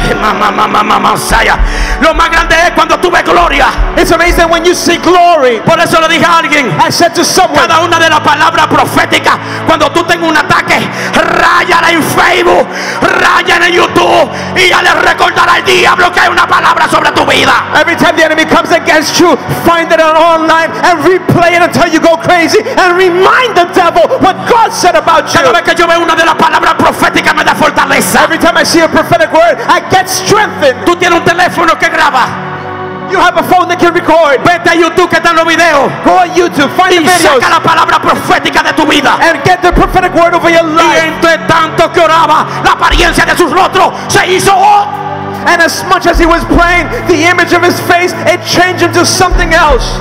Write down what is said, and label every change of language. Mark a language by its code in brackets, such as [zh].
[es] Mamá, lo más grande es cuando tú ves gloria. [en] It's amazing when you see glory. [es] Por eso le dije a alguien. [en] I said to someone. [es] Cada una de las palabras proféticas, cuando tú tengas un ataque, Ráyala en Facebook, ráyala en YouTube, y ya le recordará al diablo que hay una palabra sobre tu vida. [en] Every time the enemy comes against you, find it online and replay it until you go crazy and remind the devil what God said about you. [es] Cada vez que yo veo una de las palabras proféticas me da fortaleza. [en] Every time I see a prophetic word, I get strengthened. [es] Tú tienes un teléfono que graba. [en] You have a phone that can record. [es] Vete a YouTube que están los videos. [en] Go on YouTube, find [es] y [en] the videos. [es] Y saca la palabra profética de tu vida. [en] And get the prophetic word over your life. [es] Y entre tanto que oraba, la apariencia de sus rostros se hizo. [en] And as much as he was praying, the image of his face, it changed into something else.